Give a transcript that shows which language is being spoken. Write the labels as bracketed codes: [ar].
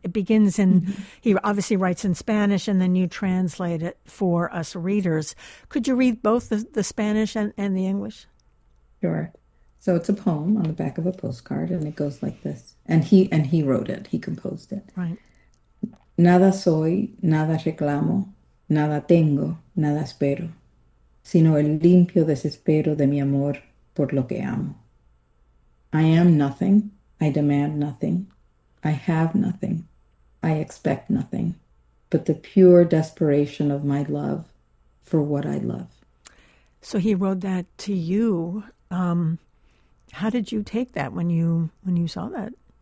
[en] It begins in, he obviously writes in Spanish, and then you translate it for us readers. Could you read both the Spanish and the English? Sure. So it's a poem on the back of a postcard, and it goes like this. And he wrote it, he composed it. Right. [es] Nada soy, nada reclamo, nada tengo, nada espero, sino el limpio desespero de mi amor por lo que amo. [en] I am nothing, I demand nothing, I have nothing, I expect nothing, but the pure desperation of my love for what I love. So he wrote that to you. How did you take that when you saw that